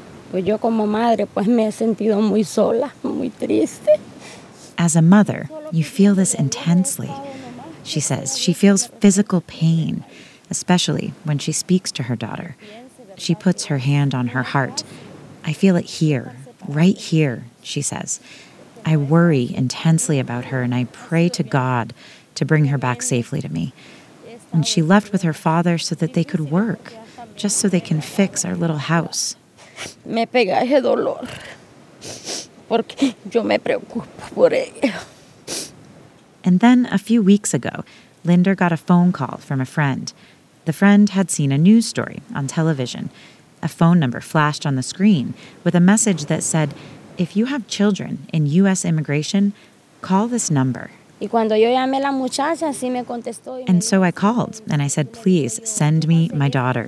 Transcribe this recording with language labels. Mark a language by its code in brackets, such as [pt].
[es] Pues yo como madre, pues me he sentido muy sola, muy triste. [en] As a mother, you feel this intensely, she says. She feels physical pain, especially when she speaks to her daughter. She puts her hand on her heart. I feel it here, right here, she says. I worry intensely about her, and I pray to God to bring her back safely to me. And she left with her father so that they could work, just so they can fix our little house. [es] Me pega ese dolor porque yo me preocupo por ella. [en] And then a few weeks ago, Linder got a phone call from a friend. The friend had seen a news story on television. A phone number flashed on the screen with a message that said, if you have children in U.S. immigration, call this number. And so I called and I said, please send me my daughter.